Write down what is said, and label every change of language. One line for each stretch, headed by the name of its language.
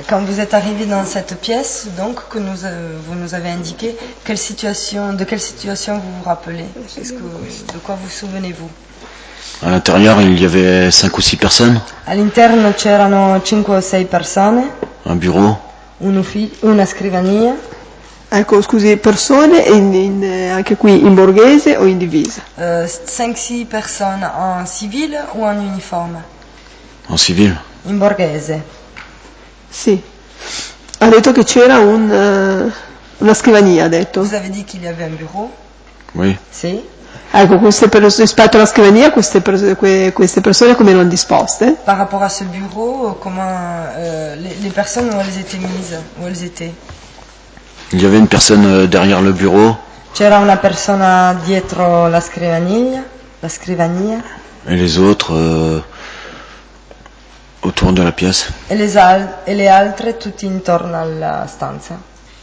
French: Quando vous êtes arrivé dans cette pièce, donc, que nous, vous nous avez indiqué, quelle situation, de quelle situation vous vous rappelez? De quoi vous souvenez-vous? À l'intérieur, il y avait 5 ou 6 personnes.
Italian: All'interno c'erano 5 o 6 persone.
French: Un bureau.
Italian: Una scrivania. Ecco, scusi, persone anche qui in borghese o in divisa?
French: 5-6 persone en civil o en uniforme? En civil.
Italian: In borghese. Sì. Ha detto che c'era una scrivania, ha detto.
French: Vous avez dit qu'il y avait un bureau? Oui.
Italian: Sì. Ecco, queste rispetto alla scrivania, queste persone come erano disposte?
French: Par rapport a ce bureau, comment les personnes où elles étaient mises, où elles étaient? Il y avait une personne derrière le bureau.
Italian: C'era una persona dietro la scrivania, la scrivania.
French: Et les autres autour de la pièce.
Italian: E le altre tutti intorno alla stanza.